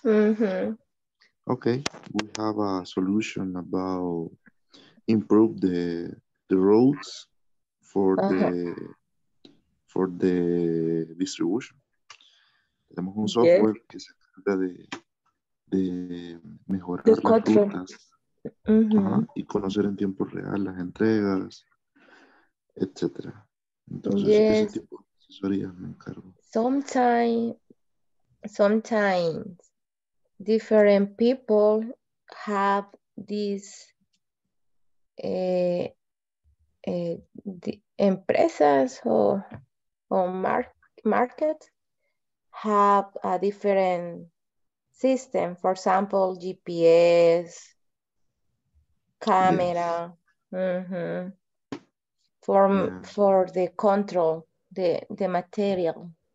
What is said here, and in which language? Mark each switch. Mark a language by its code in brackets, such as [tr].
[en] Okay, we have a solution about improve the roads for the for the distribution. [es] Tenemos un software que se encarga de mejorar las rutas y conocer en tiempo real las entregas, etc. Entonces, ese tipo de asesorías me encargo. [en] Sometimes different people have this empresas or market have a different system, for example, GPS, camera, for the control, the material.